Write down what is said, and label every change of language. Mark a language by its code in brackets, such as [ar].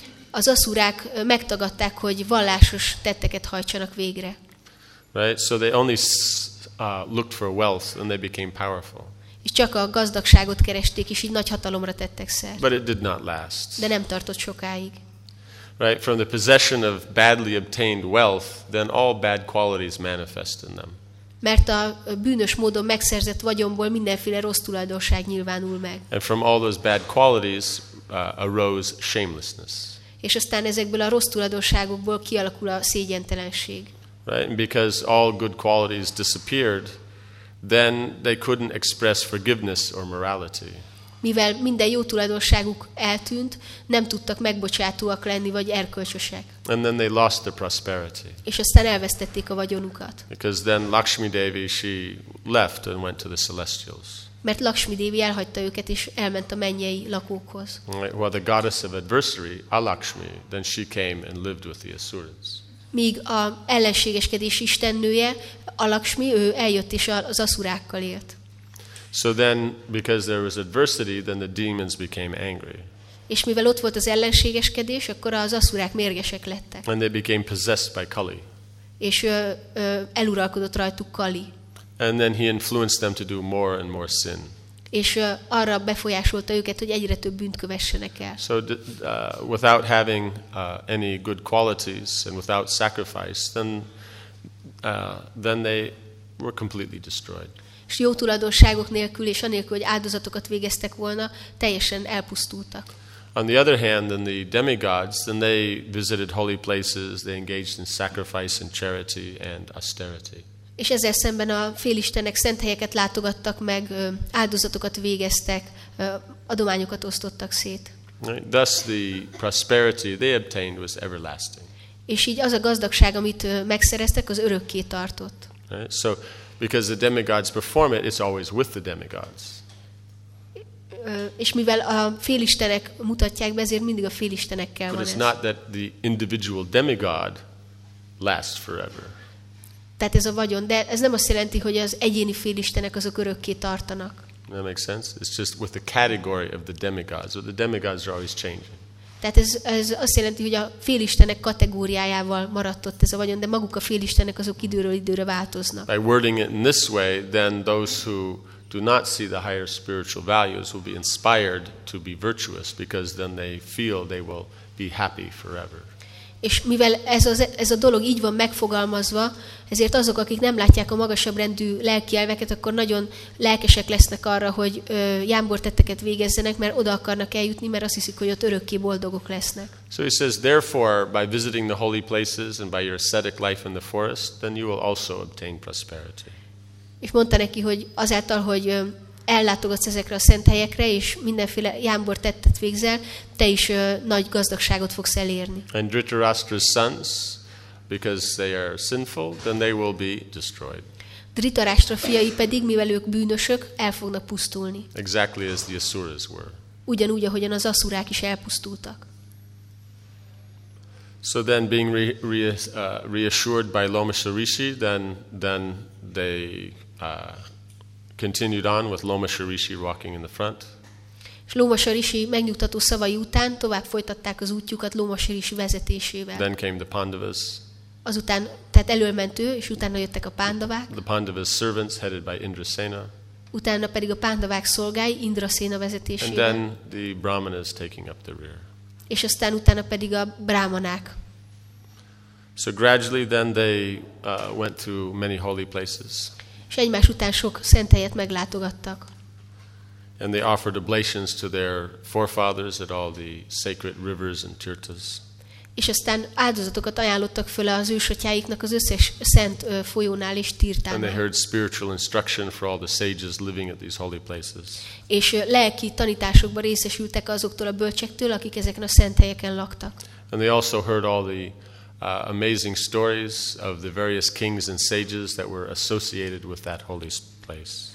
[hu] Az aszurák megtagadták, hogy vallásos tetteket hajtsanak végre. [en] Right, so they only looked for wealth and they became powerful. [hu] És csak a gazdagságot keresték, és így nagy hatalomra tettek szert. [en] But it did not last. [hu] De nem tartott sokáig. [en] Right, from the possession of badly obtained wealth, then all bad qualities manifest in them. [hu] Mert a bűnös módon megszerzett vagyomból mindenféle rossz tulajdonság nyilvánul meg. [en] And from all those bad qualities arose shamelessness. [hu] És aztán ezekből a rossz tulajdonságokból kialakul a szégyentelenség. [en] Right, because all good qualities disappeared, then they couldn't express forgiveness or morality. [hu] Mivel minden jó tulajdonságuk eltűnt, nem tudtak megbocsátóak lenni vagy erkölcsösek. [en] And then they lost their prosperity. [hu] És aztán elvesztették a vagyonukat. [en] Because then Lakshmi Devi, she left and went to the celestials. [hu] Mert Lakshmi Devi elhagyta őket és elment a mennyei lakókhoz. [en] Well, the goddess of adversary, Alakshmi, then she came and lived with the asuras. [hu] Míg a ellenségeskedés istennője, Alakshmi, ő eljött és az aszurákkal élt. [en] So then, because there was adversity, then the demons became angry. [hu] És mivel ott volt az ellenségeskedés, akkor az aszurák mérgesek lettek. [en] And they became possessed by Kali. [hu] És eluralkodott rajtuk Kali. [en] And then he influenced them to do more and more sin. [hu] És arra befolyásolta őket, hogy egyre több bűnt kövessenek el. [en] So without having any good qualities and without sacrifice, then they were completely destroyed. [hu] És jó tulajdonságok nélkül és anélkül, hogy áldozatokat végeztek volna, teljesen elpusztultak. [en] On the other hand, then the demigods, then they visited holy places, they engaged in sacrifice and charity and austerity. [hu] És ezzel szemben a félistenek szent helyeket látogattak meg, áldozatokat végeztek, adományokat osztottak szét. [en] Thus the prosperity they obtained was everlasting. [hu] És így az a gazdagság, amit megszereztek, az örökké tartott. [en] So, because the demigods perform it, it's always with the demigods. [hu] És mivel a félistenek mutatják be, ezért mindig a félistenekkel van ez. [en] But it's not that the individual demigod lasts forever. [hu] Tehát ez a vagyon, de ez nem azt jelenti, hogy az egyéni félistenek azok örökké tartanak. [en] That makes sense. It's just with the category of the demigods. So the demigods are always changing. [hu] Tehát ez azt jelenti, hogy a félistenek kategóriájával maradt ott ez a vagyon, de maguk a félistenek azok időről időre változnak. [en] By wording it in this way, then those who do not see the higher spiritual values will be inspired to be virtuous, because then they feel they will be happy forever. [hu] És mivel ez a dolog így van megfogalmazva, ezért azok, akik nem látják a magasabb rendű lelki elveket, akkor nagyon lelkesek lesznek arra, hogy jámbortetteket végezzenek, mert oda akarnak eljutni, mert azt hiszik, hogy ott örökké boldogok lesznek. [en] So he says, therefore, by visiting the holy places and by your ascetic life in the forest, then you will also obtain prosperity. [hu] És mondta neki, hogy azáltal, hogy ellátogatsz ezekre a szent helyekre, és mindenféle jámbortettet végzel, te is nagy gazdagságot fogsz elérni. [en] And Dhritarashtra's sons, because they are sinful, then they will be destroyed. [hu] Dhritarashtra fiai pedig, mivel ők bűnösök, el fognak pusztulni. [en] Exactly as the asuras were. [hu] Ugyanúgy, ahogyan az aszurák is elpusztultak. [en] So then being reassured by Lomasharishi, then they continued on with Lomasharishi walking in the front. [hu] És Lomasharishi megnyugtató szavai után tovább folytatták az útjukat Lomasharishi vezetésével. [en] Then came the Pandavas. [hu] Azután, tehát előment ő, és utána jöttek a Pandavák. [en] The Pandavas servants headed by Indrasena. [hu] Utána pedig a Pandavák szolgái Indrasena vezetésével. [en] And then the Brahmanas taking up the rear. [hu] És aztán utána pedig a Brahmanák. [en] So gradually then they went to many holy places. [hu] És egymás után sok szent helyet meglátogattak. [en] And they offered oblations to their forefathers at all the sacred rivers and tirthas. [hu] És aztán áldozatokat ajánlottak föl az ősatyáiknak az összes szent folyónál és tirtánál. [en] And they heard spiritual instruction for all the sages living at these holy places. [hu] És lelki tanításokba részesültek azoktól a bölcsektől, akik ezeken a szent helyeken laktak. [en] And they also heard all the amazing stories of the various kings and sages that were associated with that holy place.